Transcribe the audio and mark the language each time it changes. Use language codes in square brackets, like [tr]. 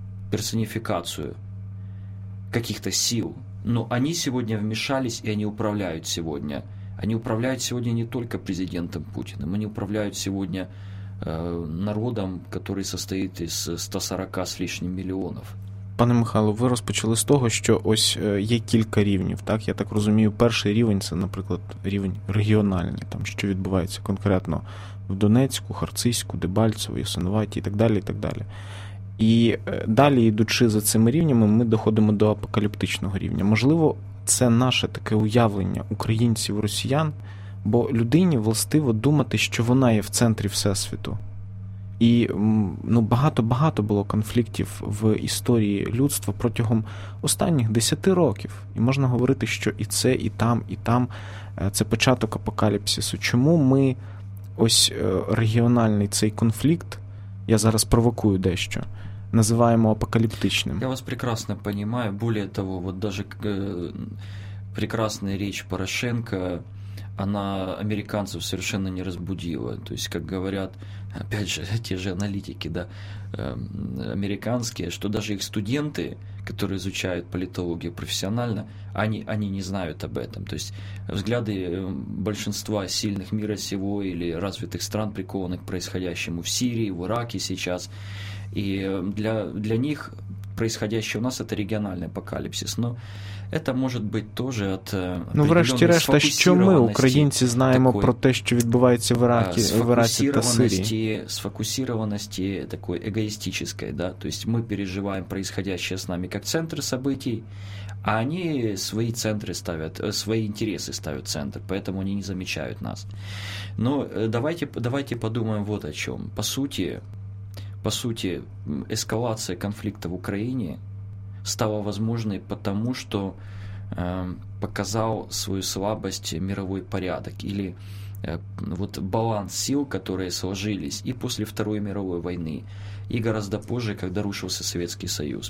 [ru] Персонификацию каких-то сил. Но они сегодня вмешались, и они управляют сегодня. Они управляют сегодня не только президентом Путиным, они управляют сегодня народом, который состоит из 140 с лишним миллионов. [uk] Пане Михайло, ви розпочали з того, що ось є кілька рівнів, так? Я так розумію, перший рівень – це, наприклад, рівень регіональний, там, що відбувається конкретно в Донецьку, Харцизьку, Дебальцево, Ясинуваті і так далі, і так далі. І далі, йдучи за цими рівнями, ми доходимо до апокаліптичного рівня. Можливо, це наше таке уявлення українців-росіян, бо людині властиво думати, що вона є в центрі Всесвіту. І багато-багато було конфліктів в історії людства протягом останніх 10 років. І можна говорити, що і це, і там – це початок апокаліпсису. Чому ми ось регіональний цей конфлікт, я зараз провокую дещо, называемо апокаліптичним. [ru] Я вас прекрасно понимаю. Более того, вот даже прекрасная речь Порошенко, она американцев совершенно не разбудила. То есть, как говорят, опять же, те же аналитики, да, американские, что даже их студенты, которые изучают политологию профессионально, они не знают об этом. То есть взгляды большинства сильных мира сего или развитых стран прикованы к происходящему в Сирии, в Ираке сейчас. И для них происходящее у нас – это региональный апокалипсис. Но это может быть тоже от определенной [uk] врешті-решта, що ми, українці, знаємо про те, що відбувається в Іракі, в Ірасі та Сирії? [ru] Сфокусированности такой эгоистической, да, то есть мы переживаем происходящее с нами как центр событий, а они свои центры ставят, свои интересы ставят в центр, поэтому они не замечают нас. Но давайте подумаем вот о чем. По сути, эскалация конфликта в Украине стала возможной потому, что показал свою слабость мировой порядок или баланс сил, которые сложились и после Второй мировой войны, и гораздо позже, когда рушился Советский Союз.